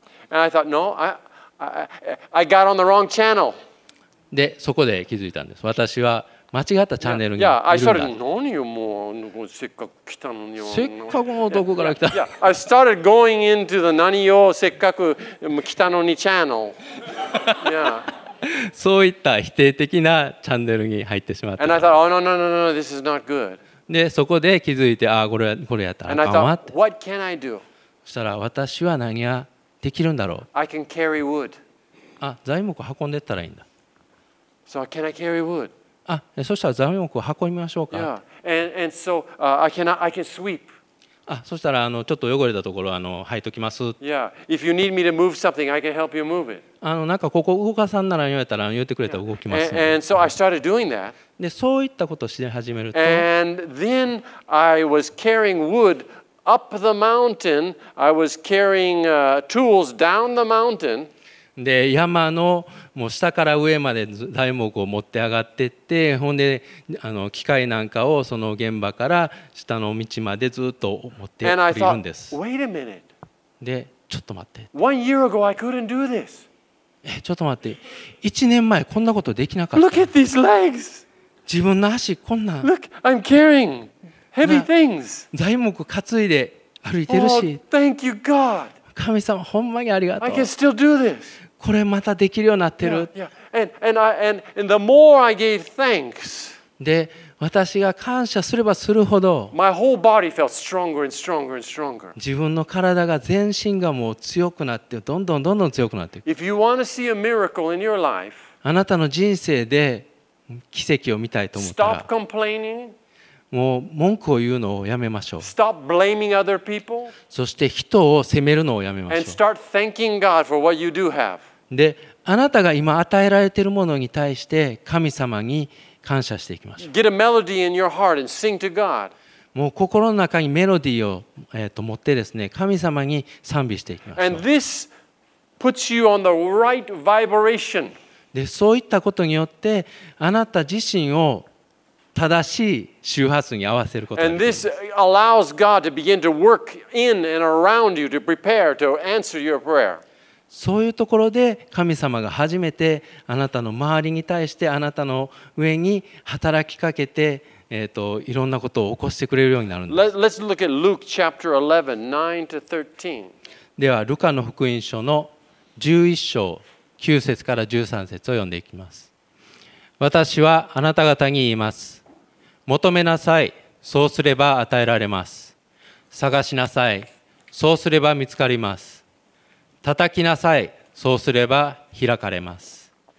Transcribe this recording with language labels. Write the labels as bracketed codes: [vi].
[en] I thought, no, I got on the wrong channel. [ja] で、そこで気づいたんです。私は間違ったチャンネルにいるんだ。いや、 [en] I started [ja] 何よ、もうせっかく来たのに。せっかくのどこから来た。 [en] Yeah, I started going into the [ja] 何よ、せっかく来たのにチャンネル。そういった否定的なチャンネルに入ってしまった。 [en] And I thought, oh no, no, no, no, this is not good. [ja] で、そこで気づいて、ああ、これやったらあかんわって。 [en] What can I do? [ja] そしたら、私は何ができるんだろう。 [en] I can carry wood. [ja] あ、材木運んでったらいいんだ。 [en] So can I carry wood? [ja] あ、そしたら材木を運びましょうか。 [en] Yeah. And so I can sweep. [ja] あ、そしたらちょっと汚れたところは履いときます。 [en] Yeah. If you need me to move something, I can help you move it. [ja] なんかここ動かさんなら言われたら言ってくれたら動きます、ね。 [en] And so I started doing that. [ja] で、そういったことをし始めると。 [en] And then I was carrying wood up the mountain. I was carrying tools down the mountain. [ja] で、山のもう下から上まで材木を持って上がっていって、ほんで機械なんかをその現場から下の道までずっと持っていくんです。 [en] And I thought, wait a minute. [ja] で、ちょっと待って、 [en] One year ago, I couldn't do this. [ja] ちょっと待って、1年前こんなことできなかった。 [en] Look at these legs. [ja] 自分の足こんな、 [en] Look, I'm carrying heavy things. [ja] 材木担いで歩いてるし、 [en] Oh, thank you God. [ja] 神様ほんまにありがとう。 [en] I can still do this. [ja] これまたできるようになってる。 [en] And the more I gave thanks, [ja] で私が感謝すればするほど、 [en] my whole body felt stronger and stronger and stronger. [ja] 自分の体が全身がもう強くなって、どんどんどんどん強くなっていく。 [en] If you want to see a miracle in your life, [ja] あなたの人生で奇跡を見たいと思ったら、 [en] stop complaining. [ja] もう文句を言うのをやめましょう。 [en] Stop blaming other people. [ja] そして人を責めるのをやめましょう。 [en] And start thanking God for what you do have. [ja] で、あなたが今与えられているものに対して神様に感謝していきましょう。 [en] Get a melody in your heart and sing to God. [ja] もう心の中にメロディーを持ってですね、神様に賛美していきましょう。 [en] And this puts you on the right vibration. [ja] で、そういったことによってあなた自身を正しい周波数に合わせることができます。 [en] And this allows God to begin to work in and around you to prepare to answer your prayer. [ja] そういうところで神様が初めてあなたの周りに対してあなたの上に働きかけて、いろんなことを起こしてくれるようになるんです。 [en] Let's look at Luke chapter 11, 9 to 13. [ja] ではルカの福音書の11章9節から13節を読んでいきます。私はあなた方に言います。求めなさい、そうすれば与えられます。探しなさい、そうすれば見つかります。叩きなさい、そうすれば開かれます。